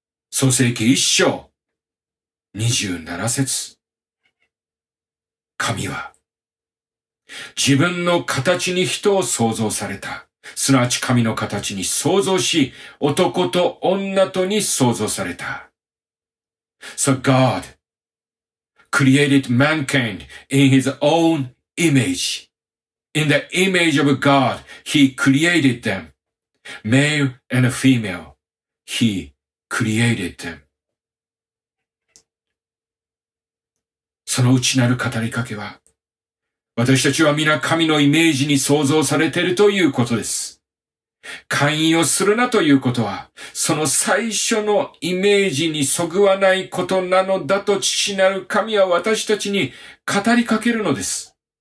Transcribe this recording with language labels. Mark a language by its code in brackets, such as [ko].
[ja] 創世記一章27節。神は自分の形に人を創造された。すなわち神の形に創造し、男と女とに創造された。 [en] So God created mankind in his own image. In the image of God, he created them. Male and female, he created them. [ja] その内なる語りかけは、私たちは皆神のイメージに創造されているということです。寛容をするなということは、その最初のイメージにそぐわないことなのだと父なる神は私たちに語りかけるのです。